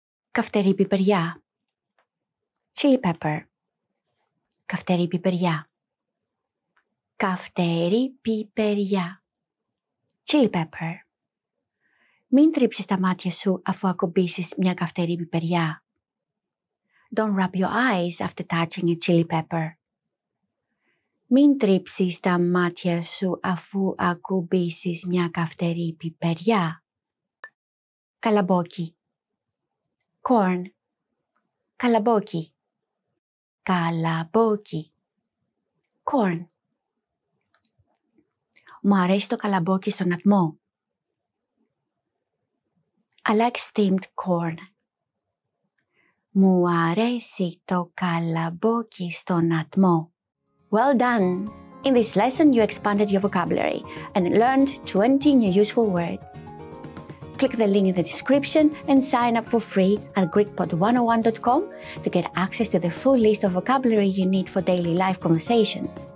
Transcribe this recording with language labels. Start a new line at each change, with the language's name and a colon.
Greek: Καυτερή πιπεριά.
English: Chili pepper.
Greek: Καυτερή πιπεριά. Καυτερή πιπεριά.
English: Chili pepper.
Greek: Μην τρίψεις τα μάτια σου αφού ακουμπήσεις μια καυτερή πιπεριά.
English: Don't rub your eyes after touching a chili pepper.
Greek: Μην τρίψεις τα μάτια σου αφού ακουμπήσεις μια καυτερή πιπεριά. Καλαμπόκι.
English: Corn.
Greek: Καλαμπόκι. Καλαμπόκι.
English: Corn.
Greek: Μου αρέσει το καλαμπόκι στον ατμό.
English: I like steamed corn.
Greek: Μου αρέσει το καλαμπόκι στον ατμό.
English: Well done! In this lesson, you expanded your vocabulary and learned 20 new useful words. Click the link in the description and sign up for free at GreekPod101.com to get access to the full list of vocabulary you need for daily life conversations.